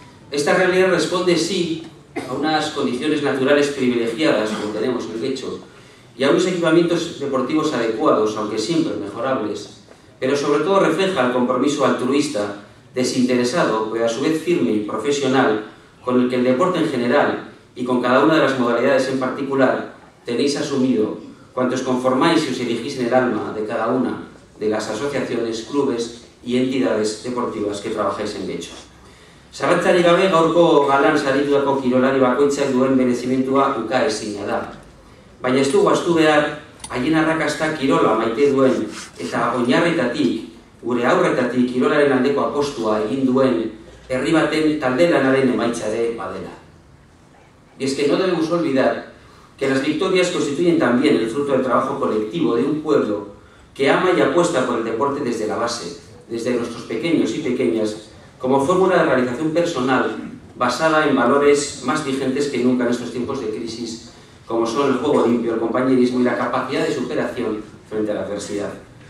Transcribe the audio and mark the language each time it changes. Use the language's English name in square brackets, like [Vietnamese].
[Spanish] Esta realidad responde, sí, a unas condiciones naturales privilegiadas, como tenemos el hecho, y a unos equipamientos deportivos adecuados, aunque siempre mejorables, pero sobre todo refleja el compromiso altruista, desinteresado, pero a su vez firme y profesional, con el que el deporte en general, y con cada una de las modalidades en particular, tenéis asumido, cuantos conformáis y os erigís en el alma de cada una de las asociaciones, clubes y entidades deportivas que trabajáis en Getxo. [Basque] Zalantzarik gabe, gaurko galan saritutako kirolari bakoitzak duen merezimentua ukaezina da. Baina ez dugu ahaztu behar, haien arrakasta kirola maite duen eta oinarretatik, gure aurretatik kirolaren aldeko apostua egin duen herri baten talde lanaren emaitza ere badela. [Spanish] Y es que no debemos olvidar que las victorias constituyen también el fruto del trabajo colectivo de un pueblo que ama y apuesta por el deporte desde la base, desde nuestros pequeños y pequeñas, como fórmula de realización personal basada en valores más vigentes que nunca en estos tiempos de crisis, como son el juego limpio, el compañerismo y la capacidad de superación frente a la adversidad.